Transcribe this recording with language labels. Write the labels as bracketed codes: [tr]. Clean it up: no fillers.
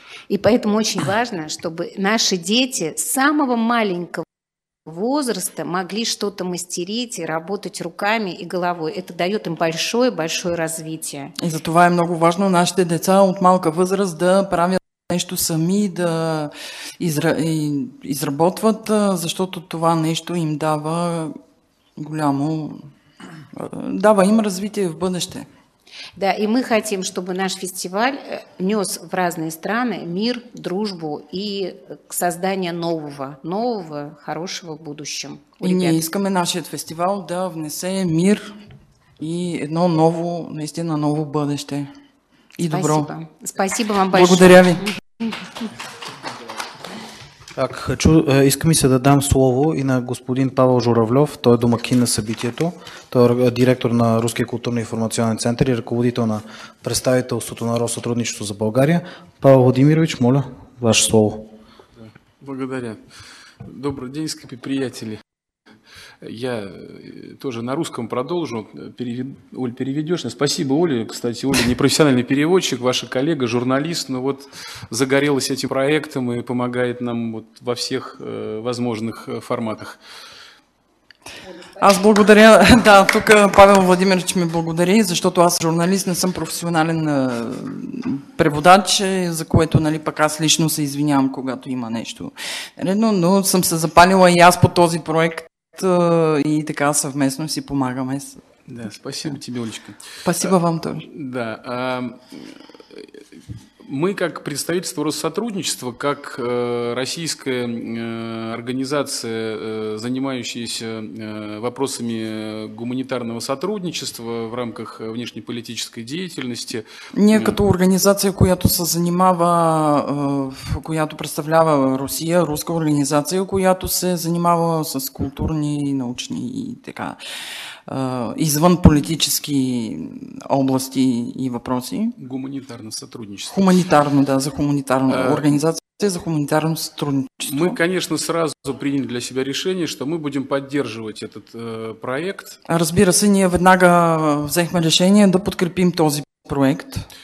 [ru] И поэтому очень важно, чтобы наши дети с самого маленького возраста могли что-то мастерить и работать руками и головой. Это дает им большое-большое развитие. [bg] И за това е много важно нашите деца от малка възраст да правят нещо сами, да изработват, защото това нещо им дава голямо... Дава им развитие в бъдеще. [ru] Да, и мы хотим, чтобы наш фестиваль нес в разные страны мир, дружбу и создание нового, хорошего в будущем. [bg] И ние искаме нашият фестивал да внесе мир и едно ново, наистина ново бъдеще. И добро. [ru] Спасибо. Спасибо вам большое. [bg] Благодаря ви. [ru] Так, хочу, [bg] искам и се да дам слово и на господин Павел Журавлев, той е домакин на събитието, той е директор на Руския културно-информационен център и ръководител на представителството на Россътрудничество за България. Павел Владимирович, моля, ваше слово. Благодаря. [ru] Добрый день, [bg] скъпи приятели. [ru] Я тоже на русском продолжу. Оль, переведешь? Спасибо, Оля. Кстати, Оля непрофессиональный переводчик, ваша коллега, журналист, но вот загорелась этим проектом и помогает нам вот во всех возможных форматах. [bg] Аз благодаря, да, тук Павел Владимирович ми благодари, защото аз журналист, не съм професионален преводач, за което, нали, пък аз лично се извинявам, когато има нещо редно, но съм се запалила и аз по този проект и така съвместно си помагаме. [ru] Да, спасибо тебе, Олечка. Спасибо вам тоже. Да, мы как представительство Россотрудничества, как российская организация, занимающаяся вопросами гуманитарного сотрудничества в рамках внешнеполитической деятельности. [bg] Не като организация, която се занимава, която представлява Русия, руска организация, която се занимава с културни, научни и така извън политически области и въпроси. Гуманитарно сътрудничество. Хуманитарно, да, за хуманитарна организация, за хуманитарно сътрудничество. [ru] Мы, конечно, сразу приняли для себя решение, что мы будем поддерживать этот проект. [bg] Разбира се, ние веднага взехме решение да подкрепим този проект.